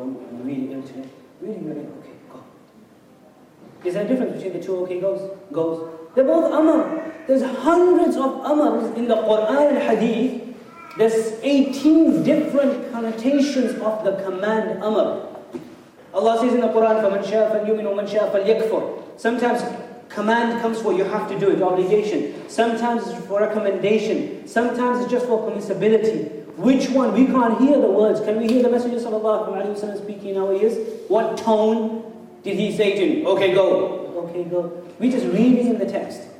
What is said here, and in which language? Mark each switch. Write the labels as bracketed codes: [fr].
[en] I'm really ill today. Really, really, okay, go. Is there a difference between the two? Okay, goes. They're both Amr. There's hundreds of Amrs in the Quran and Hadith. There's 18 different connotations of the command Amr. Allah says in the Quran, [ar] فَمَنْ شَاءَ فَلْيُؤْمِنُ وَمَنْ شَاءَ فَلْيَكْفُرُ. [en] Sometimes command comes for you have to do it, obligation. Sometimes it's for recommendation. Sometimes it's just for permissibility. Which one? We can't hear the words. Can we hear the Messenger sallallahu alayhi wa sallam speaking in our ears? What tone did he say to him? Okay, go. We just read it in the text.